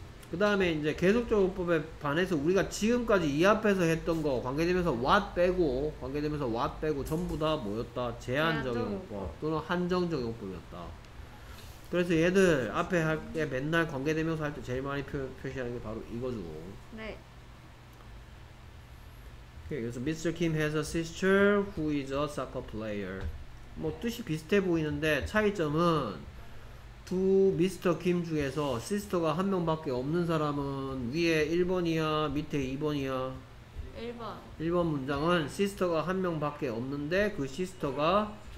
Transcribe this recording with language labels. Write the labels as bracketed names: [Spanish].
[Korean] 그 다음에 이제 계속적용법에 반해서 우리가 지금까지 이 앞에서 했던 거 관계되면서 what 빼고 관계되면서 what 빼고 전부 다 뭐였다? 제한적용법 또는 한정적용법이었다. 그래서 얘들 앞에 할 때 맨날 관계되면서 할 때 제일 많이 표시하는 게 바로 이거죠. 네. 그래서 Mr. [English] Kim has a sister who is a soccer player. [Korean] 뭐 뜻이 비슷해 보이는데 차이점은 두 미스터 김 중에서 시스터가 한 명밖에 없는 사람은 위에 1번이야 밑에 2번이야? 1번. 1번 문장은 시스터가 한 명밖에 없는데 그 시스터가